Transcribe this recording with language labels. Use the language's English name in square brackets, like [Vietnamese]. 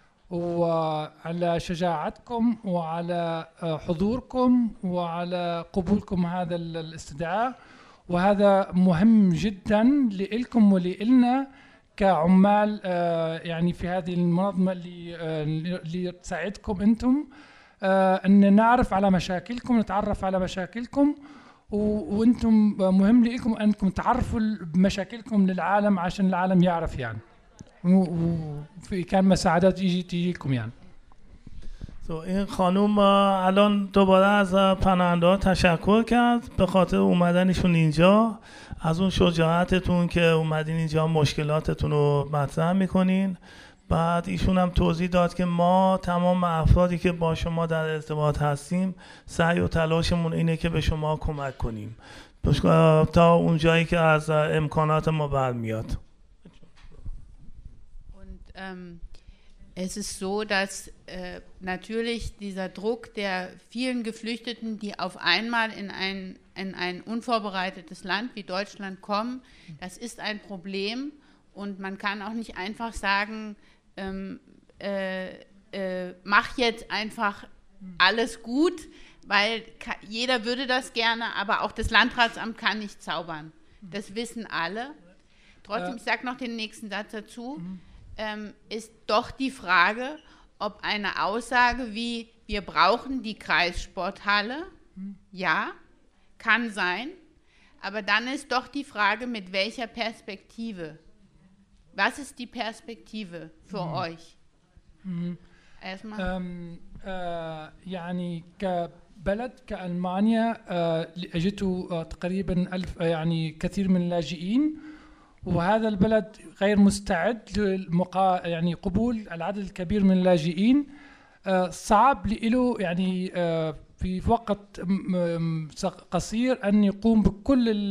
[Arabic] وعلى شجاعتكم وعلى حضوركم وعلى قبولكم هذا الاستدعاء وهذا مهم جدا لكم ولإلنا كعمال يعني في هذه المنظمة اللي تساعدكم أنتم ان نعرف على مشاكلكم نتعرف على مشاكلكم وانتم مهم لكم انكم تعرفوا مشاكلكم للعالم عشان العالم يعرف يعني وفي كان مساعدات تيجي لكم يعني [Persian] سو این خانم الان دوباره از پناهنده تشکر کرد به خاطر اومدنشون اینجا از اون شجاعتتون که اومدین اینجا مشکلاتتون رو مطرح میکنین بعد ایشون هم توضیح داد که ما تمام افرادی که با شما در ارتباط هستیم سعی و تلاشمون اینه که به شما کمک کنیم تا اونجایی که از امکانات ما برمیاد [German] und es ist so dass natürlich dieser Druck der vielen geflüchteten die auf einmal in ein unvorbereitetes Land wie Deutschland kommen das ist ein Problem und man kann auch nicht einfach sagen mach jetzt einfach alles gut, weil jeder würde das gerne, aber auch das Landratsamt kann nicht zaubern. Das wissen alle. Trotzdem, ich sage noch den nächsten Satz dazu, ist doch die Frage, ob eine Aussage wie wir brauchen die Kreissporthalle, ja, kann sein, aber dann ist doch die Frage, mit welcher Perspektive. Was ist die Perspektive für euch? Erstmal. [Arabic] يعني كبلد كألمانيا اجتوا تقريبا 1000 يعني كثير من اللاجئين وهذا البلد غير مستعد يعني قبول العدد الكبير من اللاجئين صعب له يعني في وقت قصير ان يقوم بكل